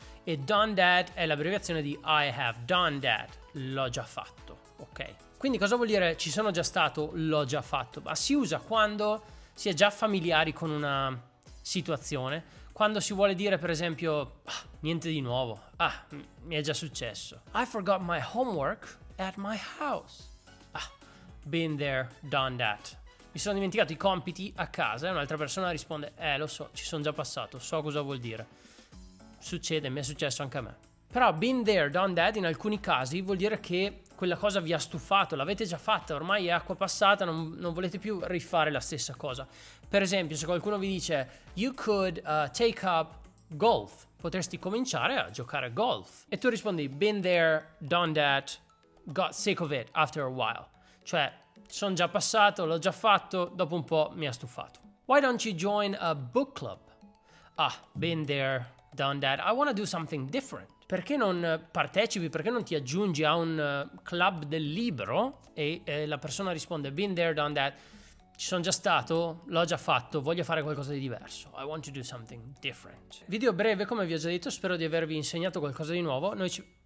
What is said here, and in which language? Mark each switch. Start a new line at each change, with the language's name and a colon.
Italian: E done that è l'abbreviazione di
English: I have done that,
Italian: l'ho già fatto, ok? Quindi cosa vuol dire ci sono già stato, l'ho già fatto? Ma si usa quando si è già familiari con una situazione, quando si vuole dire, per esempio, niente di nuovo, mi è già successo.
English: I forgot my homework at my house. Been there, done that.
Italian: Mi sono dimenticato i compiti a casa e un'altra persona risponde: lo so, ci sono già passato, so cosa vuol dire. Succede, mi è successo anche a me. Però
English: been there, done that
Italian: in alcuni casi vuol dire che quella cosa vi ha stufato, l'avete già fatta, ormai è acqua passata, non volete più rifare la stessa cosa. Per esempio, se qualcuno vi dice:
English: You could take up golf,
Italian: potresti cominciare a giocare a golf. E tu rispondi:
English: Been there, done that, got sick of it after a while.
Italian: Cioè, sono già passato, l'ho già fatto, dopo un po' mi ha stufato.
English: Why don't you join a book club? Been there, done that. I wanna do something different.
Italian: Perché non partecipi? Perché non ti aggiungi a un club del libro? E la persona risponde:
English: Been there, done that.
Italian: Ci sono già stato, l'ho già fatto, voglio fare qualcosa di diverso.
English: I want to do something different.
Italian: Video breve, come vi ho già detto, spero di avervi insegnato qualcosa di nuovo. Noi ci.